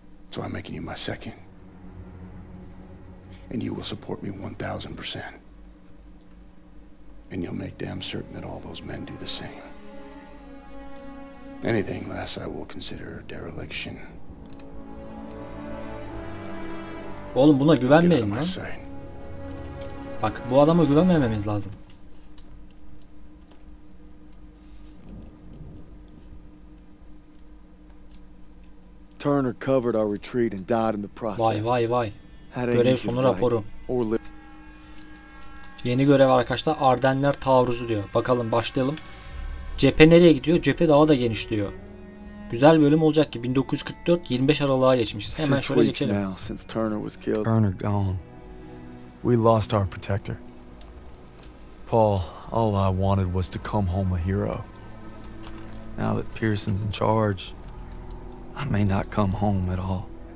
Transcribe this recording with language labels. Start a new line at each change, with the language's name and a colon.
English: So I'm making you my second. And you will support me 1000%. And you'll make damn certain that all those men do the same. Anything less I will consider dereliction.
Turkish: Oğlum buna güvenmeyin lan. Bak bu adama güvenmememiz lazım.
English: Turner covered our retreat and died in the process.
Turkish: Vay vay vay. Görev sonu raporu. Yeni görev arkadaşlar, Ardenler taarruzu diyor. Bakalım başlayalım. Cephe nereye gidiyor? Cephe daha da genişliyor. Güzel bölüm olacak ki 1944 25 Aralık'a geçmişiz. Hemen şöyle geçelim.
English: Since Turner was killed. Turner gone. We lost our protector. Paul, all I wanted was to come home a hero. Now that Pearson's in charge, I may not come home at all.